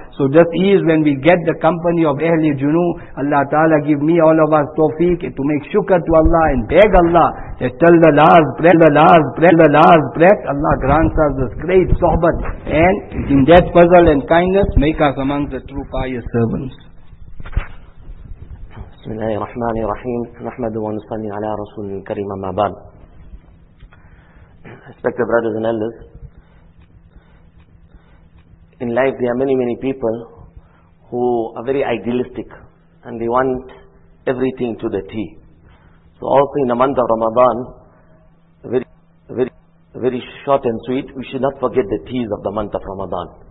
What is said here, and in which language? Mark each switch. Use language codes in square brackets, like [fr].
[en] So this is when we get the company of Ahli Junu. Allah Ta'ala give me all of us tawfiq to make shukr to Allah and beg Allah that till the last breath, Allah grants us this great sohbat, and in that puzzle and kindness make us among the true pious servants. [ar] بسم الله الرحمن الرحيم نحمد ونصلي على رسول الكريم ما بعد. [en] Respected brothers and elders, in life there are many people who are very idealistic and they want everything to the T. So also in the month of Ramadan, very short and sweet, we should not forget the T's of the month of Ramadan.